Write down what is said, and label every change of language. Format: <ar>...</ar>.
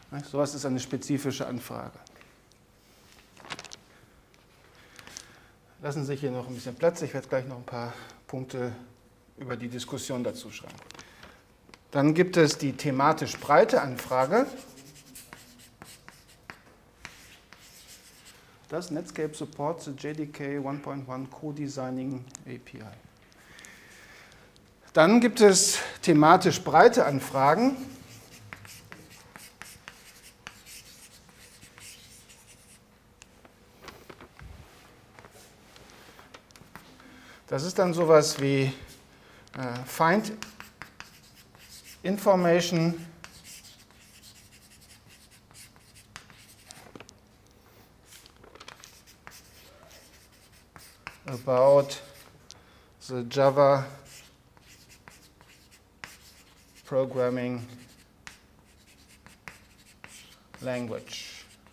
<de>So was ist eine spezifische Anfrage. Lassen Sie sich hier noch ein bisschen Platz. Ich werde gleich noch ein paar Punkte über die Diskussion dazu schreiben. Dann gibt es die thematisch breite Anfrage.</de> <en>Does Netscape support the JDK 1.1 Co-Designing API?</en> <de>Dann gibt es thematisch breite Anfragen. Das ist dann sowas wie</de> <en>Find Information about the Java programming language.</en>